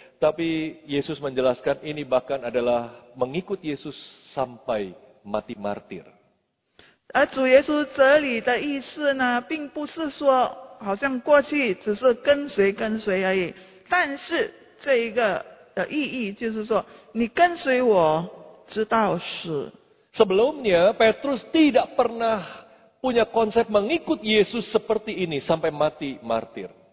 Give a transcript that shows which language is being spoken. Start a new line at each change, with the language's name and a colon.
Indonesian: Tapi Yesus menjelaskan ini bahkan adalah mengikut Yesus sampai mati martir.
Chinese: 而主耶稣这里的意思呢，并不是说好像过去只是跟随跟随而已，但是这一个的意义就是说，你跟随我直到死。
Indonesian: Sebelumnya Petrus tidak pernah punya konsep mengikut Yesus seperti ini sampai mati martir.